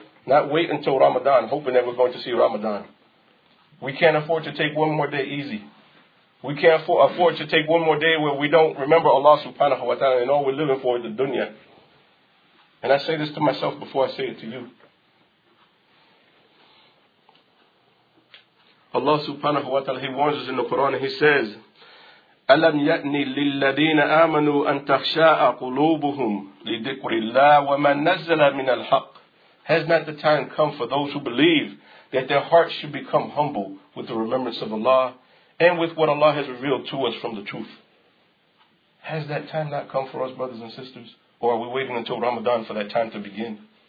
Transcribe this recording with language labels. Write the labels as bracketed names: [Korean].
[English] Not wait until Ramadan, hoping that we're going to see Ramadan. We can't afford to take one more day easy. We can't afford to take one more day where we don't remember Allah subhanahu wa ta'ala and all we're living for is the dunya. And I say this to myself before I say it to you. Allah subhanahu wa ta'ala, He warns us in the Quran, He says, [Arabic] أَلَمْ يَأْنِ لِلَّذِينَ آمَنُوا أَن تَخْشَاءَ قُلُوبُهُمْ لِذِكْرِ اللَّهِ وَمَنْ نَزَّلَ مِنَ الْحَقِّ. [English] Has not the time come for those who believe that their hearts should become humble with the remembrance of Allah and with what Allah has revealed to us from the truth? Has that time not come for us, brothers and sisters? Or are we waiting until Ramadan for that time to begin?